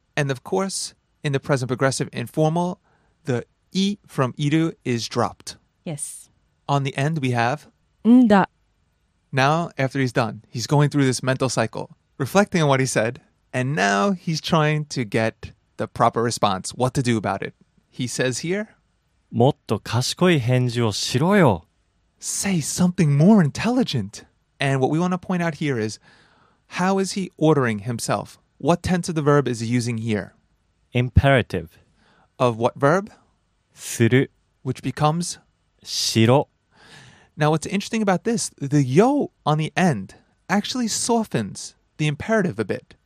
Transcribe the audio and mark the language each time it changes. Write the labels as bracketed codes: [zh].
[en] And of course, in the present progressive informal, the I from iru is dropped. Yes. On the end, we have [ja] んだ. [en] Now, after he's done, he's going through this mental cycle, reflecting on what he said, and now he's trying to get the proper response, what to do about it. He says here, [ja] もっと賢い返事をしろよ。 [en] Say something more intelligent. And what we want to point out here is, how is he ordering himself? What tense of the verb is he using here? Imperative. Of what verb? [ja] する. [en] Which becomes? [ja] しろ. [en] Now what's interesting about this, the yo on the end actually softens the imperative a bit.